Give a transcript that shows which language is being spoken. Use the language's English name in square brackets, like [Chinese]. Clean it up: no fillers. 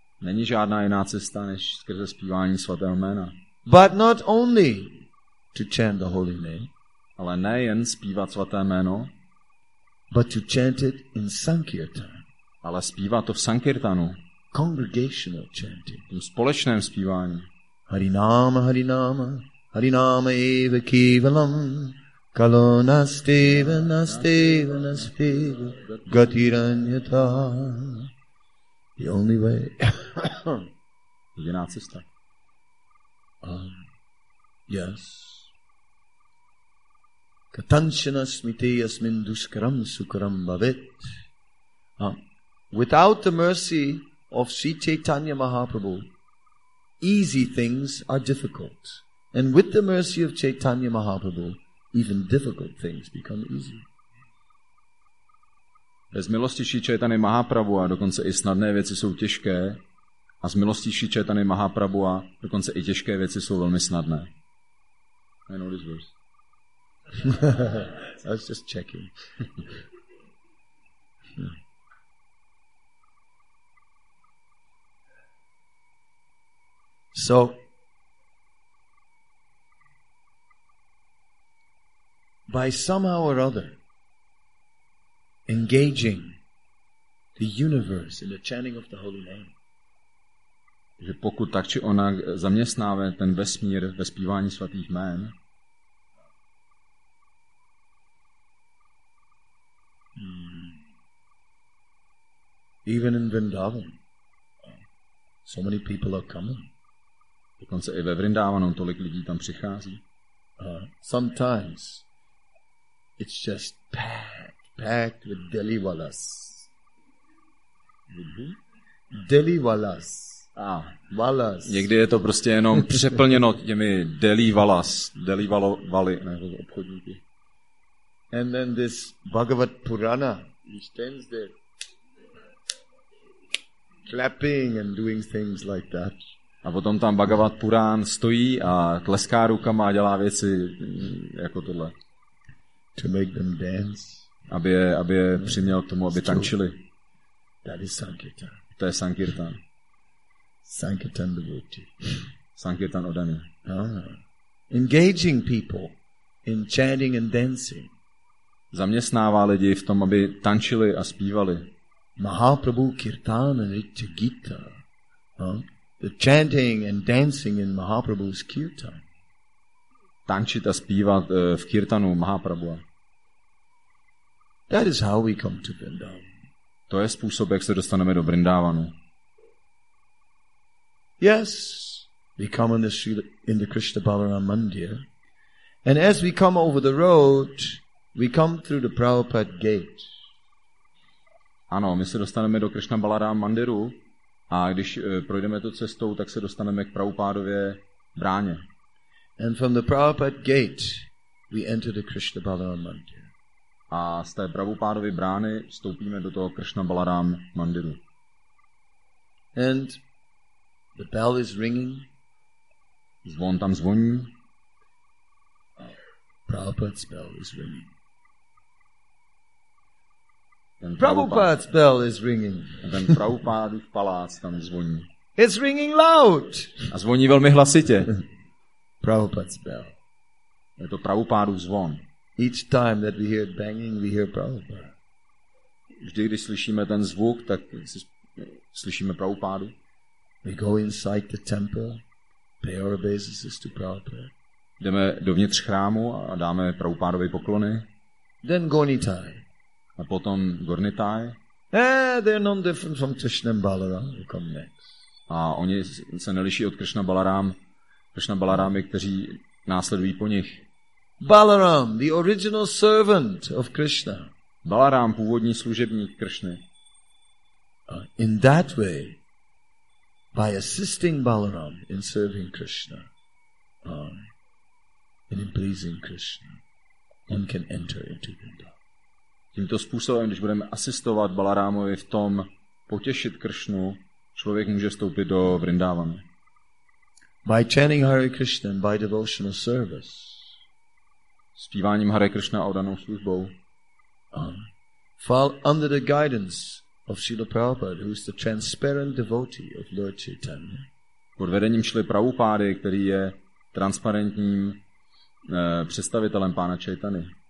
[Czech] Není žádná jiná cesta, než skrze zpívání svatého jména. [English] But not only to chant the holy name, [Czech] ale nejen zpívat svaté jméno, [English] but to chant it in sankirtan, [Czech] ale zpívat to v sankirtanu, [English] congregational chanting, [Czech] tím společném zpívání. [Sanskrit] Hari nama, hari nama, hari nama eva kevalam. Kalo nasti, nasti, nasti, gatiranyata. [English] The only way. [Czech] Jediná cesta. [English] Yes. [Sanskrit] Katanchana smite yasmin duskaram sukaram bhavet. [English] Without the mercy of Sri Chaitanya Mahaprabhu, easy things are difficult. And with the mercy of Chaitanya Mahaprabhu, even difficult things become easy. [Czech] Bez milosti Sri Chaitany Mahaprabhu a dokonce i snadné věci jsou těžké. A z milosti Sri Chaitany Mahaprabhu a dokonce i těžké věci jsou velmi snadné. [English] I know this verse. I was just checking. So, by somehow or other, engaging the universe in the chanting of the holy name. [Czech] Že pokud tak či onak zaměstnáme ten vesmír ve zpívání svatých jmén. [English] Even in Vrindavan, so many people are coming. [Czech] Dokonce i ve Vrindavanu tolik lidí tam přichází. [English] Sometimes it's just packed with Delhiwalas. Delhiwalas. Valas. [Czech] Někdy je to prostě jenom přeplněno těmi Delhiwalas. Delhiwalovali. Obchodníky. [English] And then this Bhagavat Purana, he stands there clapping and doing things like that. [Czech] A potom tam Bhagavat Purán stojí a tleská rukama a dělá věci jako tohle. [English] To make them dance. [Czech] Aby je přiměl k tomu, aby tančili. [English] That is sankirtan. [Czech] To je sankirtan. [English] Sankirtan devotee. [Czech] Sankirtan odany. [English] Engaging people in chanting and dancing. [Czech] Zaměstnává lidi v tom, aby tančili a zpívali. [Sanskrit] Mahaprabhu kirtana ritya gita. [English] The chanting and dancing in Mahaprabhu's kirtan. [Czech] Tančit a zpívat v kirtanu Mahaprabhu. [English] That is how we come to Vrindavan. [Czech] To je způsob, jak se dostaneme do Vrindavanu. [English] Yes, we come in the Krishna Balaram Mandir, and as we come over the road, we come through the Prabhupada gate. [Czech] Ano, my se dostaneme do Krishna Balaram Mandiru, a když projdeme tu cestou, tak se dostaneme k Prabhupádově bráně. [English] And from the Prabhupada gate, we enter the Krishna Balaram Mandir. [Czech] A z té Prabhupádovy brány vstoupíme do toho Krishna Balaram Mandiru. [English] And the bell is ringing. [Czech] Zvon tam zvoní. [English] Prabhupada's bell is ringing. Prabhupada's bell is ringing. [Czech] Ten Prabhupádův palác tam zvoní. [English] It's ringing loud. [Czech] A zvoní velmi hlasitě. [English] Prabhupada's bell. [Czech] Je to Prabhupádův zvon. [English] Each time that we hear it banging, we hear Prabhupada. [Czech] Vždy, když slyšíme ten zvuk, tak slyšíme Prabhupádu. [English] We go inside the temple, pay our obeisances to Prabhupada. [Czech] Jdeme dovnitř chrámu a dáme Prabhupádovi poklony. [English] Then Gornitai. [Czech] A potom Gornitai. [English] Eh, they're no different from Krishna Balaram. We come next. [Czech] A oni se neliší od Krishna Balaram, Krishna Balarami, kteří následují po nich. [English] Balaram, the original servant of Krishna. [Czech] Balaram, původní služebník Krishny. [English] In that way, by assisting Balaram in serving Krishna, and in pleasing Krishna, one can enter into Vrindavan. [Czech] Tímto způsobem, když budeme asistovat Balarámovi v tom potěšit Krishnu, člověk může vstoupit do Vrindavan. [English] By chanting Hare Krishna, by devotional service. [Czech] Zpíváním Hare Krishna a oddanou službou. [English] Fall under the guidance of Srila Prabhupada, who is the transparent devotee of Lord Chaitanya. [Czech] Pod vedením Srila Prabhupády, který je transparentním představitelem pána Chaitany.